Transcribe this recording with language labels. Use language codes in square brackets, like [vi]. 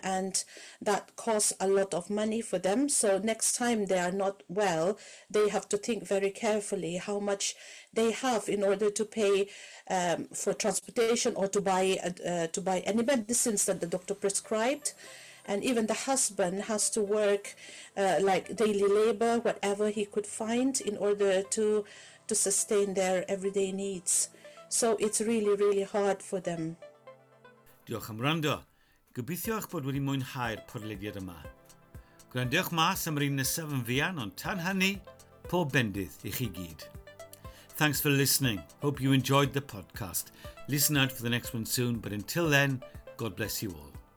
[en] And that costs a lot of money for them. So next time they are not well, they have to think very carefully how much they have in order to pay for transportation or to buy any medicines that the doctor prescribed. And even the husband has to work like daily labor, whatever he could find in order to sustain their everyday needs. So it's really, really hard for them. [cy] Diolch am wrando. Gobeithio eich bod wedi mwynhau'r podlediad yma. Gwrandewch mas am yr un nesaf yn fuan, ond tan hynny, pob bendydd I chi gyd. [en] Thanks for listening. Hope you enjoyed the podcast. Listen out for the next one soon, but until then, God bless you all.